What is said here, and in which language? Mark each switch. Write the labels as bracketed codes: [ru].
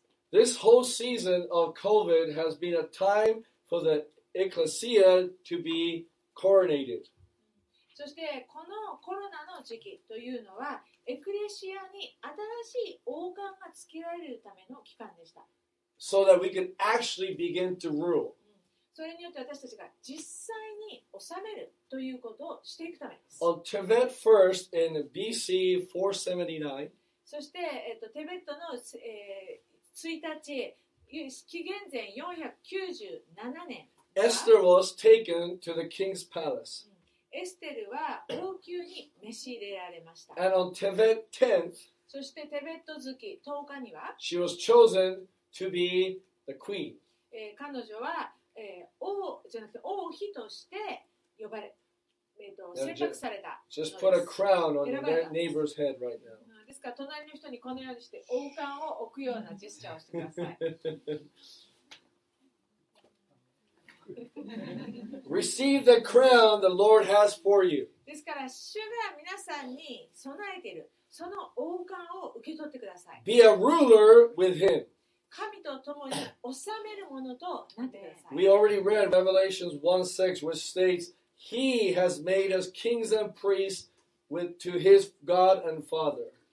[en] This whole season of COVID has been a time for the ecclesia to be coronated. [ja] そしてこのコロナの時期というのはエクレシアに新しい王冠がつけられるための期間でした。 [en] So that we can actually begin to rule. [ja] それによって私たちが実際に治めるということをしていくためです。 [en] On Tibet first in BC 479. [ja] そして、テベットの、1日、紀元前497年。 [en] Esther was taken to the king's palace. [ja] エステルは王宮に召し入れられました。 [en] And on Tibet 10th, [ja] そしてテベット月10日には、 [en] she was chosen to be the queen. [ja] 彼女は、王じゃなくて王妃として呼ばれ、選択された。 [en] Just put a crown on the neighbor's head right now. [ja] ですから隣の人にこのようにして王冠を置くようなジェスチャーをしてください。 [en] Receive the crown the Lord has for you. [ja] ですから主が皆さんに備えているその王冠を受け取ってください。 [en] Be a ruler with him. [ja] 神と共に治めるものとなってください。 [en] We already read Revelation 1:6, which states, He has made us kings and priests with, to His God and Father.